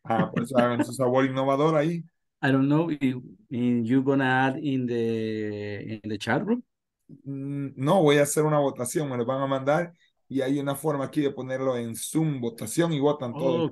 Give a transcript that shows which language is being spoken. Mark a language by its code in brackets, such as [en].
[es] Ah, por eso hagan su sabor innovador ahí. [en] I don't know if you're gonna add in the chat room. [es] No, voy a hacer una votación, me lo van a mandar y hay una forma aquí de ponerlo en Zoom, votación y votan todos.